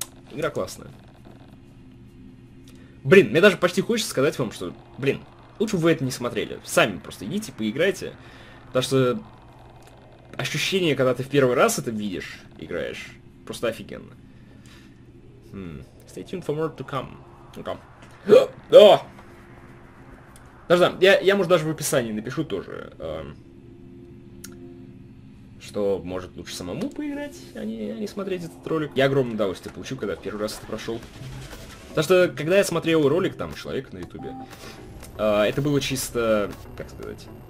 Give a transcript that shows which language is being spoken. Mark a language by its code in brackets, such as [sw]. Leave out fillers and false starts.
[ru] Игра классная. Блин, мне даже почти хочется сказать вам, что, блин, лучше бы вы это не смотрели. Сами просто идите, поиграйте. Потому что ощущение, когда ты в первый раз это видишь, играешь, просто офигенно. [en] Stay tuned for more to come. [ru] Ну-ка. О! Подожди, я может даже в описании напишу тоже, что может лучше самому поиграть, а не смотреть этот ролик. Я огромное удовольствие получил, когда в первый раз это прошел. Потому что, когда я смотрел ролик там человека на ютубе, это было чисто, как сказать...